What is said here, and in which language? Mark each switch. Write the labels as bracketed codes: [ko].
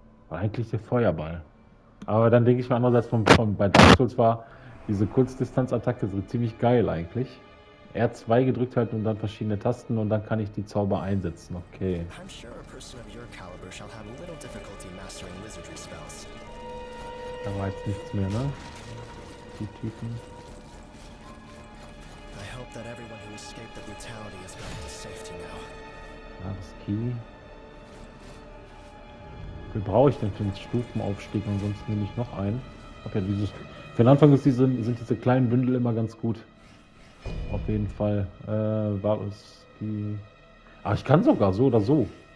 [de] Eigentlich der Feuerball. Aber dann denke ich mir andererseits, bei Dark Souls war diese Kurzdistanzattacke so ziemlich geil eigentlich. R2 gedrückt halten und dann verschiedene Tasten und dann kann ich die Zauber einsetzen. Okay. [en] I'm sure a person of your caliber shall have little difficulty mastering wizardry spells. [de] Da war jetzt nichts mehr, ne? Die Typen. [en] I hope that everyone who escaped the brutality is back to safety now. [de] Ja, das Key. Wie brauche ich denn für den Stufenaufstieg? Ansonsten nehme ich noch einen. Okay, dieses, für den Anfang ist diese, sind diese kleinen Bündel immer ganz gut. Auf jeden Fall. War es die. Ah, ich kann sogar so oder so.